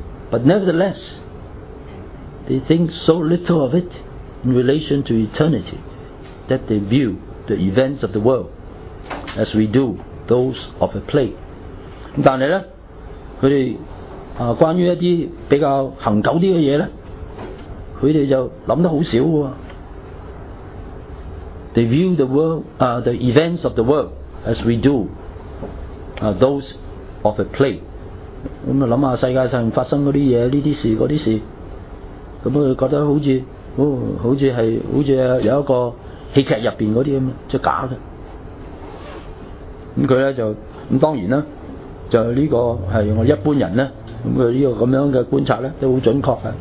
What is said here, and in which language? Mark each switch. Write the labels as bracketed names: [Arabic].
[English] But nevertheless they think so little of it in relation to eternity that they view the events of the world as we do those of a play。 [Chinese] 但是呢他们关于一些比较恒久的东西呢，他们就想得很少的。 [English] They view the world, the events of the world as we do, those of a play。 [Chinese] 那么想想世界上发生的那些事，这些事那些事，那么他觉得好像好像有一个戏剧入面那些，就是假的。那他呢就那当然呢就是这个是我一般人呢，这个这样的观察呢都很准确的。